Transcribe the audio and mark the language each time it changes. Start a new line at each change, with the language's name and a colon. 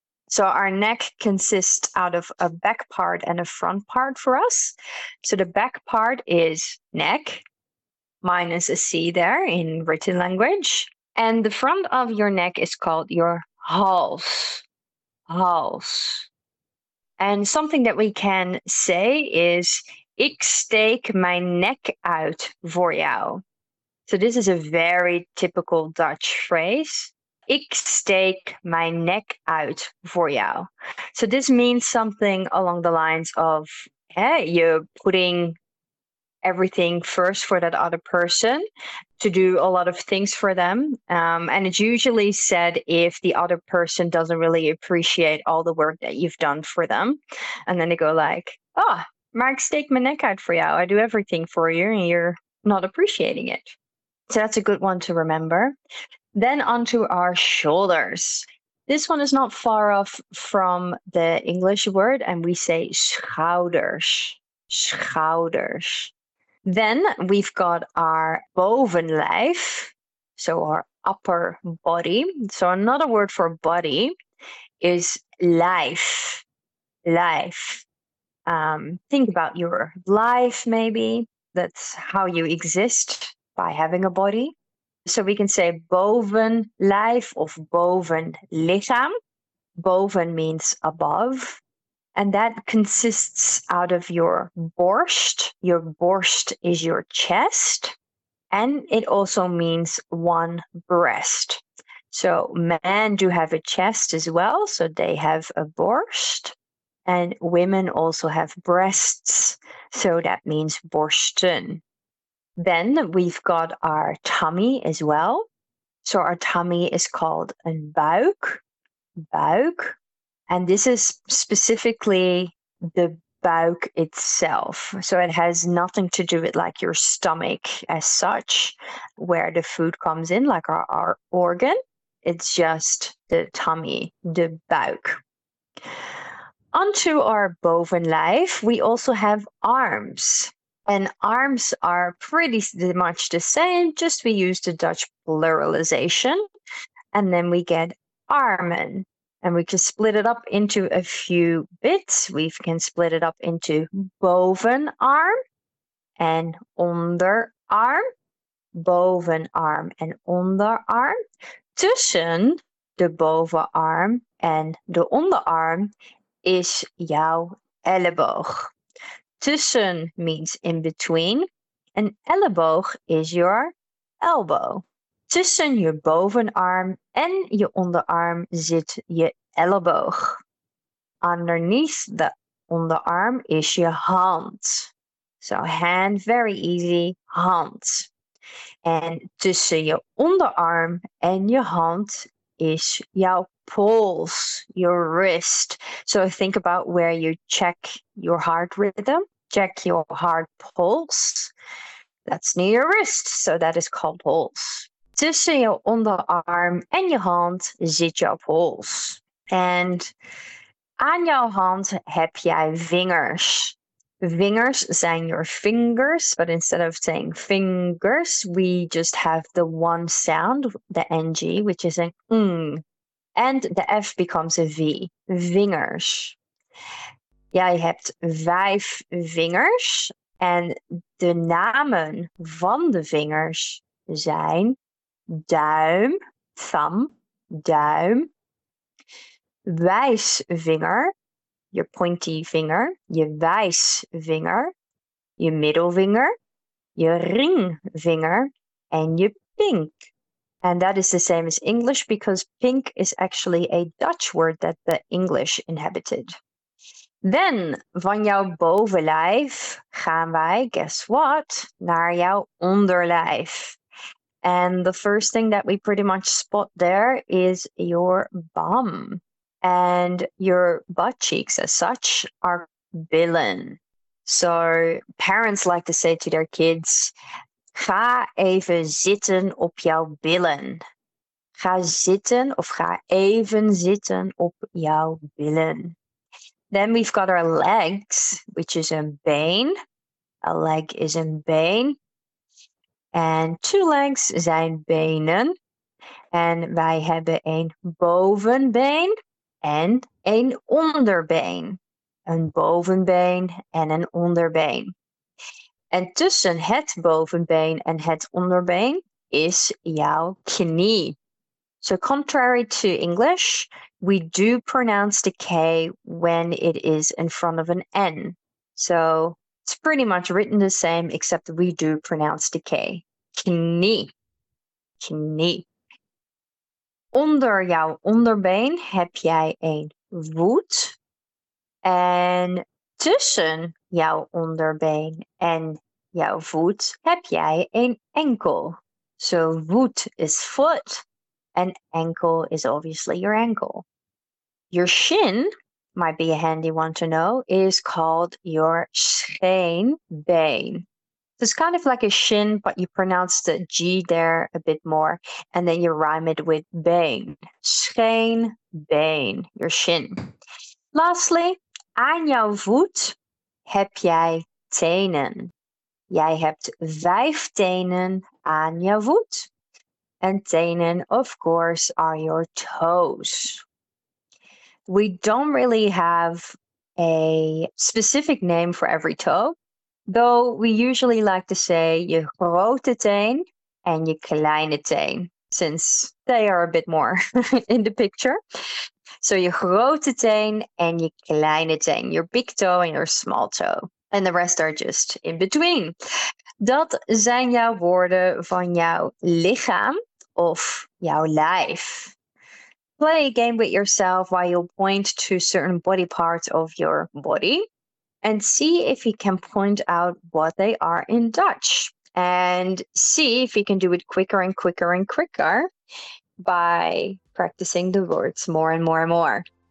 English: So our neck consists out of a back part and a front part for us. So the back part is neck. Minus a C there in written language. And the front of your neck is called your hals.
Dutch: Hals.
English: And something that we can say is,
Dutch: ik steek mijn nek uit voor jou.
English: So this is a very typical Dutch phrase.
Dutch: Ik steek mijn nek uit voor jou.
English: So this means something along the lines of, hey, you're putting everything first for that other person, to do a lot of things for them. And it's usually said if the other person doesn't really appreciate all the work that you've done for them. And then they go like, oh,
Dutch: maar ik steek mijn nek uit voor jou.
English: I do everything for you and you're not appreciating it. So that's a good one to remember. Then onto our shoulders. This one is not far off from the English word, and we say schouders. Schouders. Then we've got our bovenlijf, so our upper body. So another word for body is lijf. Lijf. Think about your life, maybe. That's how you exist, by having a body. So we can say bovenlijf of bovenlichaam. Boven means above. And that consists out of your borst. Your borst is your chest. And it also means one breast. So men do have a chest as well. So they have a borst. And women also have breasts. So that means borsten. Then we've got our tummy as well. So our tummy is called een buik. Buik. And this is specifically the buik itself. So it has nothing to do with like your stomach as such, where the food comes in, like our organ. It's just the tummy, the buik. Onto our bovenlijf, we also have arms. And arms are pretty much the same, just we use the Dutch pluralization. And then we get armen. And we can split it up into a few bits. We can split it up into bovenarm and onderarm. Bovenarm and onderarm.
Dutch: Tussen de bovenarm en de onderarm is jouw elleboog.
English: Tussen means in between. An elleboog is your elbow.
Dutch: Tussen je bovenarm en je onderarm zit je elleboog.
English: Underneath the onderarm is your hand. So hand, very easy, hand. And
Dutch: tussen
English: your onderarm and your hand is your pulse, your wrist. So think about where you check your heart rhythm, check your heart pulse. That's near your wrist, so that is called pulse.
Dutch: Tussen
English: your onderarm and your hand
Dutch: zit
English: your pulse.
Dutch: And aan jouw hand heb jij vingers. Vingers zijn
English: your fingers, but instead of saying fingers, we just have the one sound, the ng, which is an ng. And the F becomes a V. Vingers.
Dutch: Jij hebt vijf vingers. En de namen van de vingers zijn duim, thumb, duim. Wijsvinger, je
English: pointy
Dutch: vinger. Je wijsvinger. Je middelvinger. Je ringvinger. En je pink.
English: And that is the same as English because pink is actually a Dutch word that the English inhabited. Then,
Dutch: van jouw bovenlijf gaan wij,
English: guess what,
Dutch: naar jouw onderlijf.
English: And the first thing that we pretty much spot there is your bum. And your butt cheeks as such are billen. So parents like to say to their kids,
Dutch: ga even zitten op jouw billen. Ga zitten of ga even zitten op jouw billen.
English: Then we've got our legs, which is een been. A leg is een been. And two legs
Dutch: zijn benen. En wij hebben een bovenbeen en een onderbeen. Een bovenbeen en een onderbeen. En tussen het bovenbeen en het onderbeen is jouw knie.
English: So contrary to English, we do pronounce the K when it is in front of an N. So it's pretty much written the same, except we do pronounce the K.
Dutch: Knie. Knie. Onder jouw onderbeen heb jij een voet. En tussen jouw onderbeen en jouw voet heb jij een enkel.
English: So voet is foot. An ankle is obviously your ankle. Your shin, might be a handy one to know, is called your scheenbeen. So it's kind of like a shin, but you pronounce the G there a bit more, and then you rhyme it with been. Scheenbeen, your shin.
Dutch: Lastly, aan jouw voet heb jij tenen. Jij hebt vijf tenen aan jouw voet.
English: And tenen, of course, are your toes. We don't really have a specific name for every toe, though we usually like to say
Dutch: je grote teen
English: and
Dutch: je kleine teen,
English: since they are a bit more in the picture. So
Dutch: je grote teen
English: and
Dutch: je kleine teen,
English: your big toe and your small toe. And the rest are just in between.
Dutch: Dat zijn jouw woorden van jouw lichaam. Of jouw lijf.
English: Play a game with yourself while you point to certain body parts of your body and see if you can point out what they are in Dutch and see if you can do it quicker and quicker and quicker by practicing the words more and more and more.